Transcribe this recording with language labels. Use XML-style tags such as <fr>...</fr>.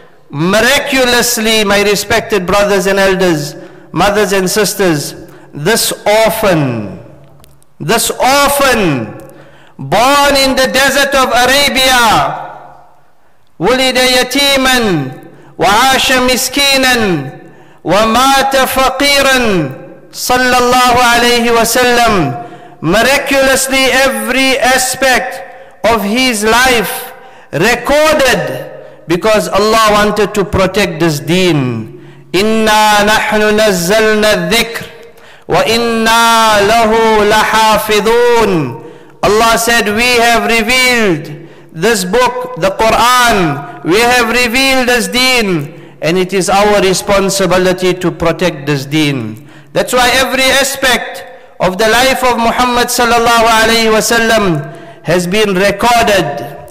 <en>Miraculously, my respected brothers and elders, mothers and sisters, this orphan, born in the desert of Arabia,</en> <ar>wulida yateeman, وعاش مسكينا ومات فقيرا صلى الله عليه وسلم.</ar> <en>Miraculously, every aspect of his life recorded because Allah wanted to protect this deen.</en> <ar>إنا نحن نزلنا الذكر وإنا له لحافظون.</ar> <en>Allah said, we have revealed this book, the Quran, we have revealed this deen, and it is our responsibility to protect this deen. That's why every aspect of the life of Muhammad sallallahu alayhi wa sallam has been recorded.</en>